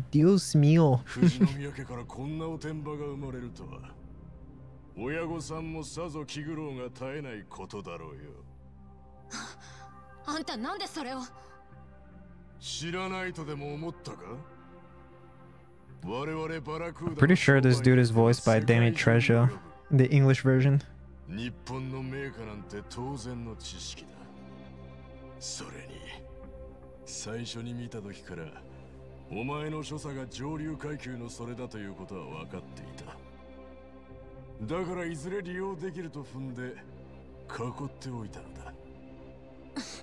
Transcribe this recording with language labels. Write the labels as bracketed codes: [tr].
[es] Dios mío。 [ja] 藤の宮家からこんなおてんばが生まれるとは。親御さんもさぞ気苦労が絶えないことだろうよ。あんたなんでそれを。知らないとでも思ったか。我々バラクーダ。 [en] Pretty sure this dude is voiced by Danny Trejo, the English version. [ja] 日本の名家なんて当然の知識だ。それに最初に見た時からお前の所作が上流階級のそれだということは分かっていた。だからいずれ利用できると踏んで囲っておいたのだ。